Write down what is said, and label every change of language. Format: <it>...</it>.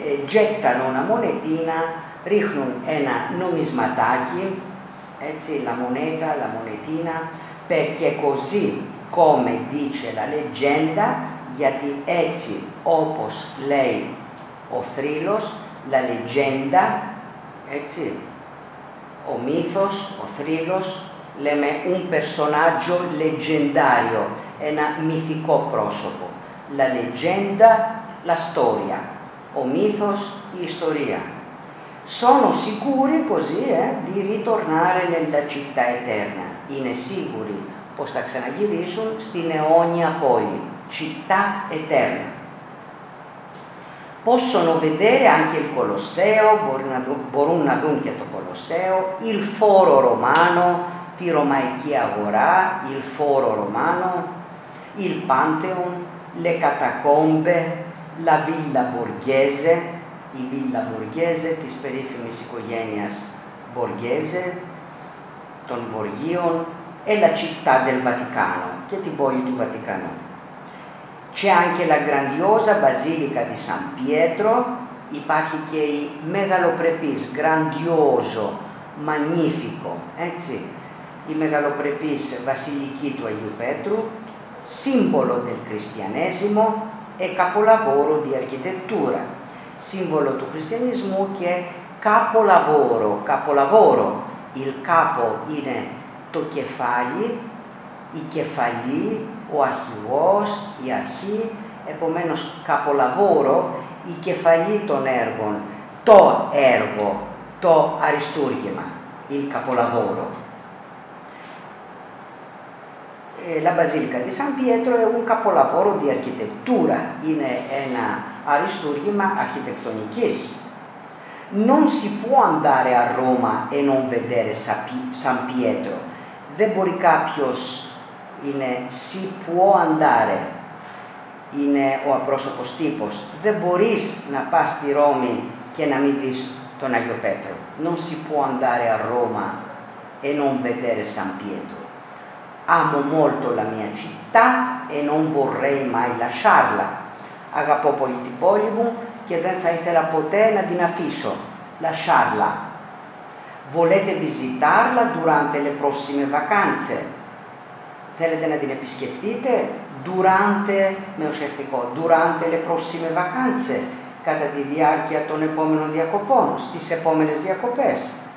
<it>gettano una monetina,</it> <el>ρίχνουν ένα νομισματάκι, έτσι, la moneta, la monetina,</el> <it>perché così, come dice la leggenda,</it> <el>γιατί έτσι, όπως λέει ο θρύλος, la leggenda, έτσι, ο μύθος, ο θρύλος, λέμε</el> <it>un personaggio leggendario,</it> <el>ένα μυθικό πρόσωπο.</el> <it>La leggenda, la storia,</it> <el>ο μύθος, η ιστορία.</el> <it>Sono sicuri così di ritornare nella città eterna.</it> <el>Είναι σίγουροι πως θα ξαναγυρίσουν στην αιώνια πόλη.</el> <it>Città eterna. Possono vedere anche il Colosseo,</it> <el>μπορούν να δουν και το</el> <it>Colosseo, il Foro Romano, τη Ρωμαϊκή Αγορά, il Foro Romano, il Pantheon, le Catacombe, la Villa Borghese, η Villa Borghese, της περίφημης οικογένειας Borghese, των Βοργίων, e la città del Vaticano,</it> <el>και την πόλη του Βατικανού.</el> <it>C'è anche la grandiosa Basilica di San Pietro,</it> <el>υπάρχει και η μεγαλοπρεπής,</el> <it>grandioso, magnifico, έτσι,</it> <el>η μεγαλοπρεπής βασιλική του Αγίου Πέτρου,</el> <it>σύμβολο del cristianesimo e capolavoro di architettura.</it> <el>Σύμβολο του χριστιανισμού και capolavoro, capolavoro. Il capo είναι το κεφάλι, η κεφαλή, ο αρχηγός, η αρχή. Επομένως, capolavoro, η κεφαλή των έργων, το έργο, το αριστούργημα, il capolavoro.</el> <it>la Basilica di San Pietro è un capolavoro di architettura,</it> <el>είναι ένα αριστούργημα αρχιτεκτονικής.</el> <it>Non si può andare a Roma e non vedere San Pietro.</it> <el>Δεν μπορεί κάποιος, είναι si può andare, είναι ο απρόσωπος τύπος. Δεν μπορείς να πας στη Ρώμη και να μην δεις τον Άγιο Πέτρο.</el> <it>Non si può andare a Roma e non vedere San Pietro. Amo molto la mia città e non vorrei mai lasciarla.</it> <el>Αγαπώ πολύ την πόλη μου και δεν θα ήθελα ποτέ να την αφήσω. Lasciarla.</el> <it>Volete visitarla durante le prossime vacanze?</it> <el>Θέλετε να την επισκεφτείτε durante, με ουσιαστικό,</el> <it>durante le prossime vacanze,</it> <el>κατά τη διάρκεια των επόμενων διακοπών, στις επόμενες διακοπές.</el>